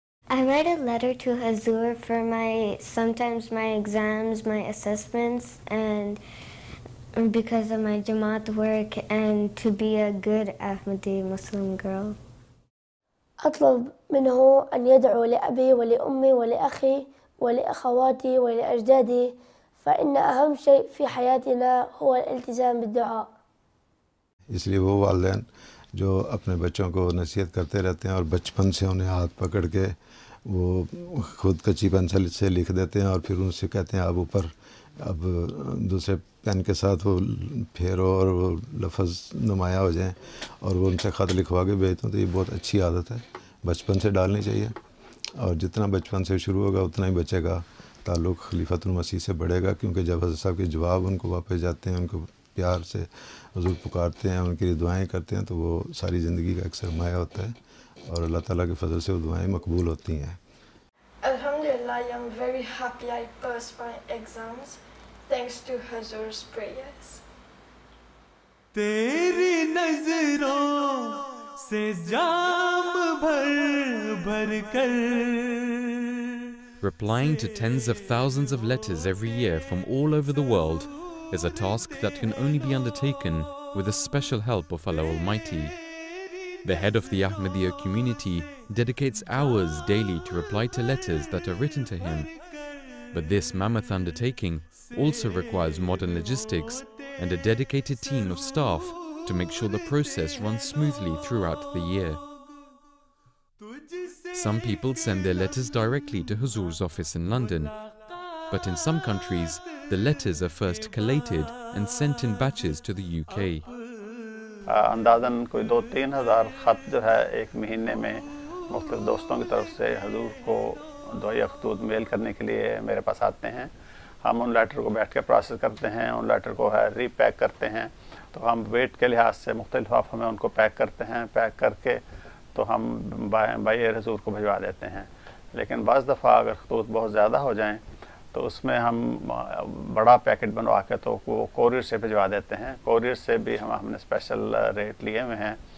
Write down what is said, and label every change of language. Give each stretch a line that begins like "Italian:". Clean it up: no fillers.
English: I write a letter to Huzur for my sometimes my exams, my assessments and because of my jamaat work and to be a good Ahmadi Muslim girl.
Arabic: اطلب منه ان يدعو لابي ولامي ولاخي ولاخواتي ولاجدادي، فان اهم شيء في حياتنا هو الالتزام بالدعاء.
Urdu: اس لیے وہ والدین جو اپنے بچوں کو نصیحت کرتے رہتے ہیں اور بچپن سے انہیں ہاتھ پکڑ کے وہ خود کچی پنسل سے لکھ دیتے ہیں اور پھر ان سے کہتے ہیں اب اوپر اب دوسرے پین کے ساتھ وہ پھیرو اور وہ لفظ نمایاں ہو جائیں اور وہ ان سے خط لکھوا کے بھیجتے ہیں، تو یہ بہت اچھی عادت ہے، بچپن سے ڈالنی چاہیے اور جتنا بچپن سے شروع ہوگا اتنا ہی بچے گا تعلق خلیفۃ المسیح سے بڑھے گا، کیونکہ جب حضرت صاحب کے جواب ان کو واپس جاتے ہیں، ان کو پیار سے حضور پکارتے ہیں، ان کے لیے دعائیں کرتے ہیں، تو وہ ساری زندگی کا ایک سرمایہ ہوتا ہے اور اللہ تعالیٰ کے فضل سے وہ دعائیں مقبول ہوتی ہیں۔
English: الحمدللہ، I am very happy I passed my exams thanks to Huzur's prayers.
Urdu: تیری نظروں سے جام بھر بھر کر
English: Replying to tens of thousands of letters every year from all over the world is a task that can only be undertaken with the special help of Allah Almighty. The head of the Ahmadiyya community dedicates hours daily to reply to letters that are written to him. But this mammoth undertaking also requires modern logistics and a dedicated team of staff to make sure the process runs smoothly throughout the year. Some people send their letters directly to Huzur's office in London. But in some countries, the letters are first collated and sent in batches to the UK.
Urdu: اندازاً کوئی 2-3 ہزار خط جو ہے ایک مہینے میں مختلف دوستوں کی طرف سے حضور کو دعائیہ خطوط میل کرنے کے لیے میرے پاس آتے ہیں۔ ہم ان لیٹر کو بیٹھ کے پروسیس کرتے ہیں، ان لیٹر کو ہے ری پیک کرتے ہیں، تو ہم ویٹ کے لحاظ سے مختلف لفافوں میں ان کو پیک کرتے ہیں، پیک کر کے تو ہم بائی ایئر حضور کو بھجوا دیتے ہیں۔ لیکن بعض دفعہ اگر خطوط بہت زیادہ ہو جائیں تو اس میں ہم بڑا پیکٹ بنوا کے تو وہ کوریئر سے بھجوا دیتے ہیں، کوریئر سے بھی ہم نے اسپیشل ریٹ لیے ہوئے ہیں،